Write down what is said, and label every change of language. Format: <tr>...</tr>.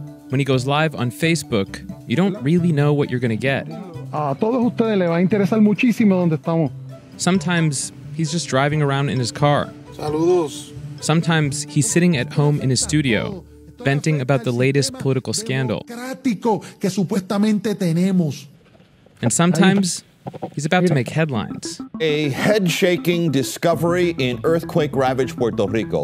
<en>When he goes live on Facebook, you don't really know what you're going to get.</en> <es>A todos ustedes les va a interesar muchísimo donde estamos.</es> <en>Sometimes he's just driving around in his car.</en> <es>Saludos.</es> <en>Sometimes he's sitting at home in his studio, venting about the latest political scandal.</en> <es>Que supuestamente tenemos.</es> <en>And sometimes he's about to make headlines. A head-shaking discovery in earthquake-ravaged Puerto Rico.</en>